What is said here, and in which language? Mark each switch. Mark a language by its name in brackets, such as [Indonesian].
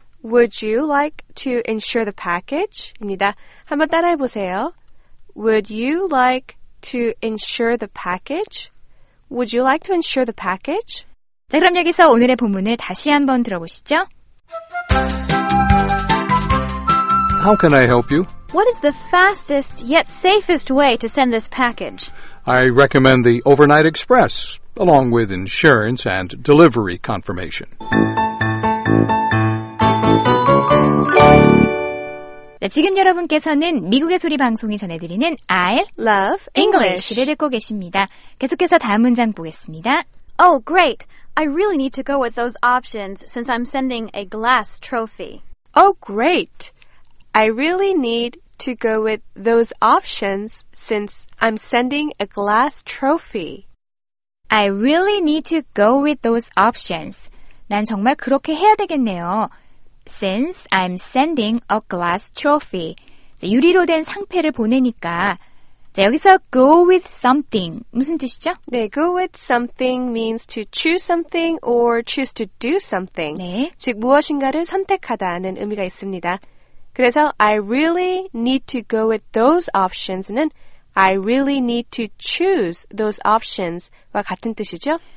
[English] Would you like to insure the package? 입니다. [Korean] 한번 따라해보세요. [English] Would you like to insure the package? Would you like to insure the package? [Korean] 자, 그럼 여기서 오늘의 본문을 다시 한번 들어보시죠. [English] How can I help you? What is the fastest yet safest way to send this package? I recommend the Overnight Express, along with insurance and delivery confirmation. [Korean] 네, 지금 여러분께서는 미국의 소리 방송이 전해드리는 I [English] Love English [Korean] 를 듣고 계십니다. 계속해서 다음 문장 보겠습니다. [English] Oh, great. I really need to go with those options since I'm sending a glass trophy. Oh, great. I really need to go with those options since I'm sending a glass trophy. I really need to go with those options. [Korean] 난 정말 그렇게 해야 되겠네요. [English] Since I'm sending a glass trophy. [Korean] 자, 유리로 된 상패를 보내니까. 자, 여기서 [English] go with something [Korean] 무슨 뜻이죠? [English] 네, go with something means to choose something or choose to do something. [Korean] 네. 즉, 무엇인가를 선택하다는 의미가 있습니다. [English] 그래서 I really need to go with those options는 I really need to choose those options [Korean] 와 같은 뜻이죠.